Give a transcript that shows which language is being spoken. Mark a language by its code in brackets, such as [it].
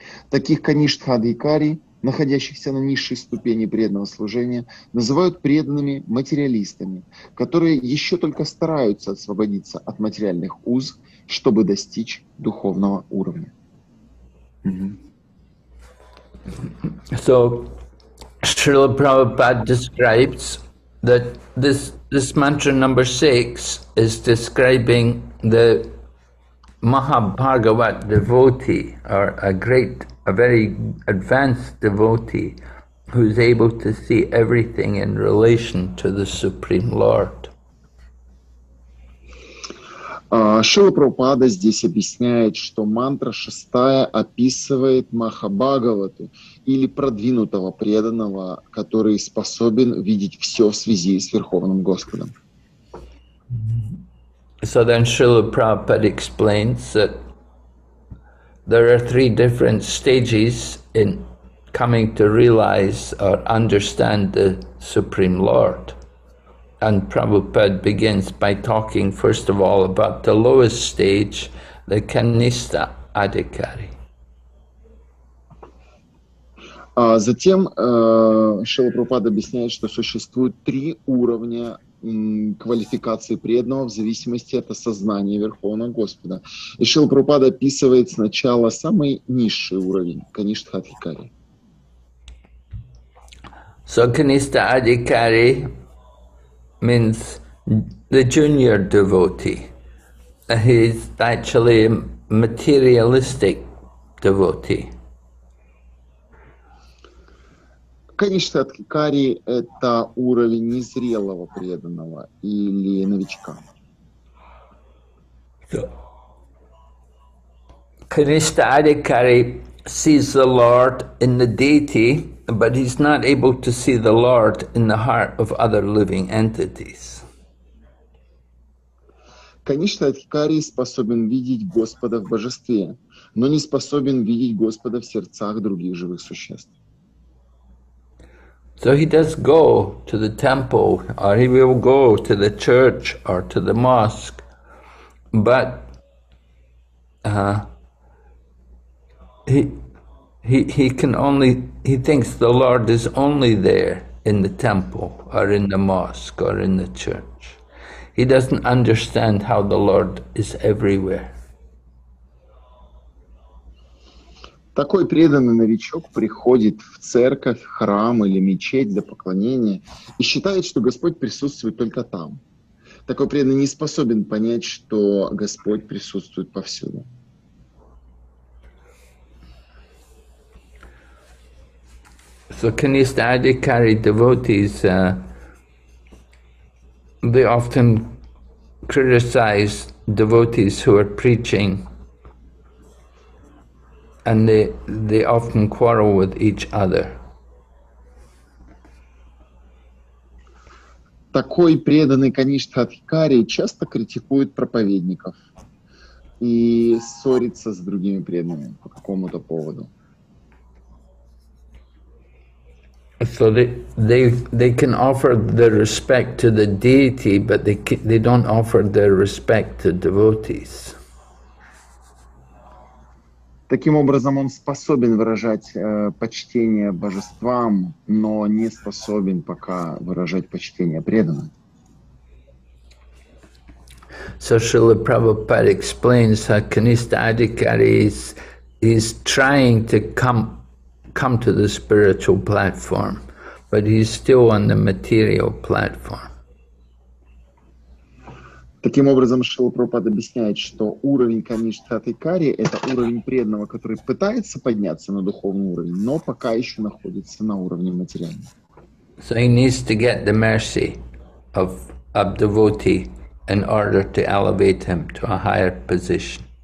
[ru] Таких каништхадхикари, находящихся на низшей ступени преданного служения, называют преданными материалистами, которые еще только стараются освободиться от материальных уз, чтобы достичь духовного уровня. [en] So, Srila Prabhupada describes that this mantra number 6 is describing the Mahabhagavat devotee, or a very advanced devotee who's able to see everything in relation to the Supreme Lord. [ru] Шрила Прабхупада здесь объясняет, что мантра шестая описывает Махабхагавату, или продвинутого преданного, который способен видеть все в связи с Верховным Господом. [en] So then Srila Prabhupada explains that there are three different stages in coming to realize or understand the Supreme Lord. And Prabhupada begins by talking, first of all, about the lowest stage, the Kanista Adhikari. [ru] Затем Шрила Прабхупада объясняет, что существует три уровня квалификации преданного в зависимости от осознания Верховного Господа. И Шрила Прабхупада описывает сначала самый низший уровень, Каништа Адхикари. [en] So Каништа Адхикари means the junior devotee. He's actually a materialistic devotee. [ru] Конечно, адхикари — это уровень незрелого преданного или новичка. [en] Kanishtha adhikari sees the Lord in the deity, but he's not able to see the Lord in the heart of other living entities. [ru] Конечно, адхикари способен видеть Господа в божестве, но не способен видеть Господа в сердцах других живых существ. [en] So he does go to the temple, or he will go to the church, or to the mosque, but he thinks the Lord is only there in the temple, or in the mosque, or in the church. He doesn't understand how the Lord is everywhere. [ru] Такой преданный новичок приходит в церковь, храм или мечеть для поклонения и считает, что Господь присутствует только там. Такой преданный не способен понять, что Господь присутствует повсюду. [en] So, Kanishtha Adhikari devotees, they often criticize devotees who are preaching. And they often quarrel with each other. [ru] Такой преданный Каништа Адхикари часто критикует проповедников и ссорится с другими преданными по какому-то поводу. [en] So they can offer their respect to the deity, but they don't offer their respect to devotees. [ru] Таким образом, он способен выражать почтение божествам, но не способен пока выражать почтение преданным. [en] So Srila Prabhupada explains how Kanishtha Adhikari is trying to come to the spiritual platform, but he's still on the material platform. [ru] Таким образом, Шрила Прабхупада объясняет, что уровень Каништа Адхикари — это уровень преданного, который пытается подняться на духовный уровень, но пока еще находится на уровне материального. [en] So he needs to get the mercy of a devotee in order to elevate him to a higher position.